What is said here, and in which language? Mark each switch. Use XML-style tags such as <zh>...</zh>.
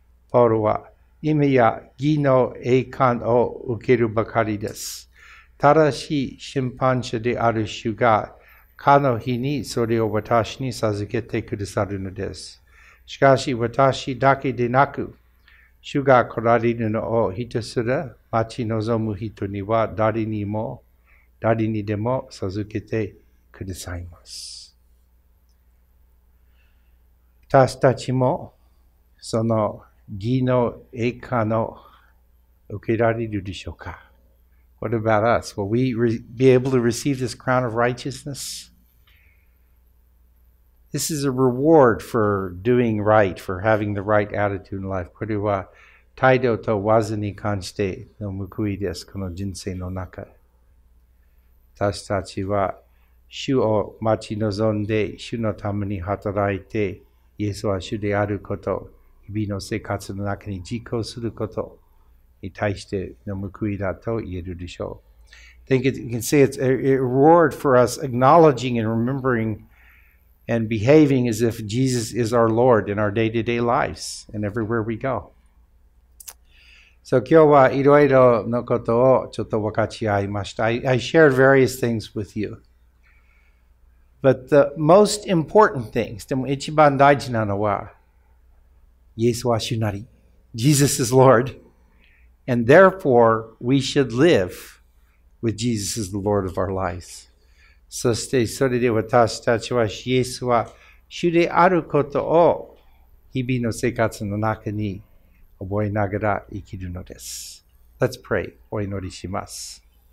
<ja>Paul は、今や義の栄冠を受けるばかりです。ただし、審判者である主が、かの日にそれを私に授けてくださるのです。しかし私だけでなく、主が来られるのをひたすら待ち望む人には誰にでも授けてくださいます。私たちもその義の栄冠を受けられるでしょうか?</ja> <en>What about us? Will we be able to receive this crown of righteousness? This is a reward for doing right, for having the right attitude in life.</en> <ja>これは態度と技に関しての報いです、この人生の中。私たちは主を待ち望んで、主のために働いて、イエスは主であること、日々の生活の中に実行することに対しての報いだと言えるでしょう。</ja> <en>Think it, you can say it's a reward for us acknowledging and rememberingand behaving as if Jesus is our Lord in our day-to-day lives and everywhere we go.</en> <ja>So, 今日はいろいろのことをちょっと分かち合いました。</ja> <en>I shared various things with you. But the most important things,</en> <ja>でも一番大事なのは、イエスは主なり。</ja> <en>Jesus is Lord. And therefore, we should live with Jesus as the Lord of our lives.</en> <ja>そしてそれで私たちはイエスは主であることを日々の生活の中に覚えながら生きるのです。</ja> <en>Let's pray.</en> <ja>お祈りします。</ja>